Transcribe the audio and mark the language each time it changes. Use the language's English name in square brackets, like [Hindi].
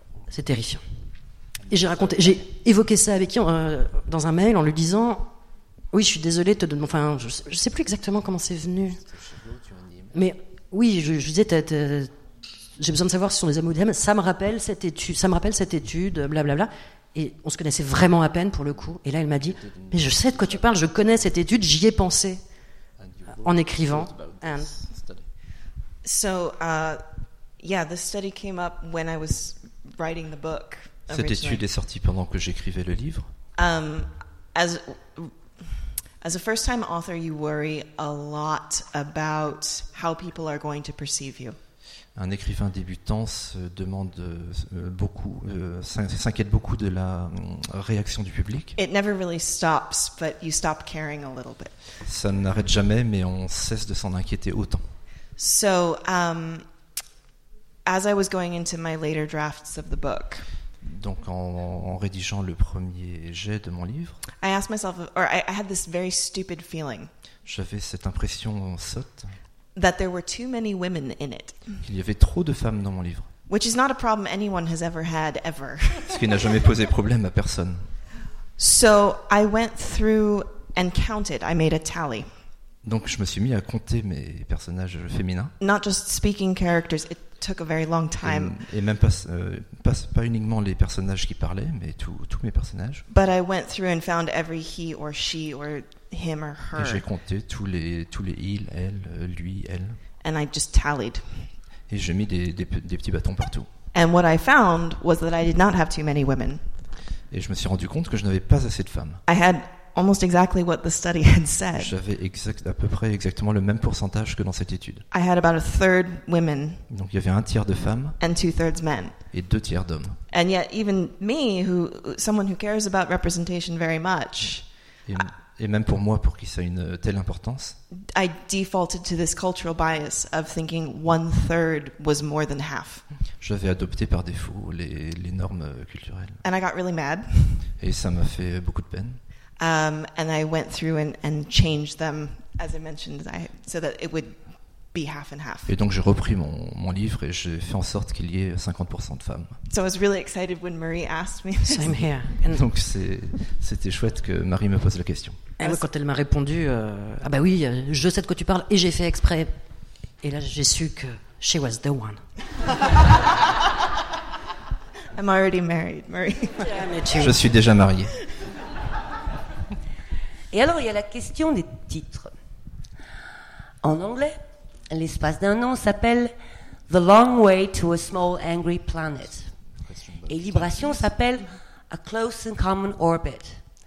[French] C'est terrifiant. Et j'ai évoqué ça avec qui dans un mail en lui disant, oui, je suis désolée, je sais plus exactement comment c'est venu, mais oui, je disais, j'ai besoin de savoir si ce sont des hommes ou des femmes. Ça me rappelle cette étude, blablabla. Et on se connaissait vraiment à peine pour le coup. Et là, elle m'a dit, mais je sais de quoi tu parles, je connais cette étude, j'y ai pensé. En écrivant. [English] The study came up when I was writing the book. Originally. [French] Cette étude est sortie pendant que j'écrivais le livre. [English] As a first-time author, you worry a lot about how people are going to perceive you. [French] Un écrivain débutant se demande beaucoup, s'inquiète beaucoup de la réaction du public. [English] It never really stops, but you stop caring a little bit. [French] Ça n'arrête jamais, mais on cesse de s'en inquiéter autant. [English] So, as I was going into my later drafts of the book, [French] donc en rédigeant le premier jet de mon livre, [English] I asked myself, or I had this very stupid feeling. [French] J'avais cette impression sotte. [English] That there were too many women in it. [French] Qu'il y avait trop de femmes dans mon livre. [English] Which is not a problem anyone has ever had ever. [French] Ce qui n'a jamais posé problème à personne. [English] So I went through and counted. I made a tally. [French] Donc je me suis mis à compter mes personnages féminins. [English] Not just speaking characters. It took a very long time. [French] Et même pas uniquement les personnages qui parlaient, mais tous mes personnages. [English] But I went through and found every he or she or him or her. [French] Et j'ai compté tous les il, elle, lui, elle. [English] And I just tallied. [French] Et j'ai mis des petits bâtons partout. [English] And what I found was that I did not have too many women. [French] Et je me suis rendu compte que je n'avais pas assez de femmes. [English] I had almost exactly what the study had said. [French] J'avais à peu près exactement le même pourcentage que dans cette étude. [English] I had about a third women. [French] Donc il y avait un tiers de femmes. [English] And two thirds men. [French] Et deux tiers d'hommes. [English] And yet even me, someone who cares about representation very much. [French] Et même pour moi, pour qui ça a une telle importance, [English] I defaulted to this cultural bias of thinking one third was more than half. [French] J'avais adopté par défaut les normes culturelles. [English] And I got really mad. [French] Et ça m'a fait beaucoup de peine. [English] And I went through and changed them, as I mentioned, so that it would be half and half. [French] Et donc j'ai repris mon livre et j'ai fait en sorte qu'il y ait 50% de femmes. [English] So I was really excited when Marie asked me. Same here. [French] Donc c'était chouette que Marie me pose la question. Et quand elle m'a répondu, oui, je sais de quoi tu parles et j'ai fait exprès. Et là j'ai su que [English] she was the one. I'm already married, Marie. Damn it, you. [French] Je suis déjà mariée. Et alors il y a la question des titres. En anglais, l'espace d'un an s'appelle The Long Way to a Small Angry Planet. Et Libration s'appelle A Close and Common Orbit.